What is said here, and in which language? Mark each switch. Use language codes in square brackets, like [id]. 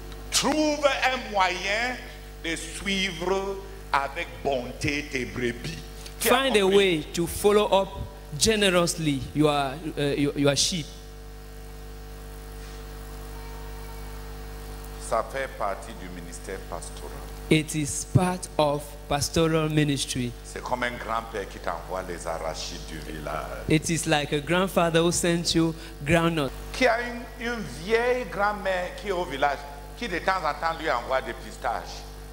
[fr] Trouve un moyen de suivre avec bonté tes brebis. [en] Find a way to follow up generously your sheep. [fr] Ça fait partie du ministère pastoral. [en] It is part of pastoral ministry. [fr] C'est comme un grand-père qui t'envoie les arachides du village. [en] It is like a grandfather who sent you groundnuts. [fr] Qui a une vieille grand-mère qui est au village qui de temps en temps lui envoie des pistaches.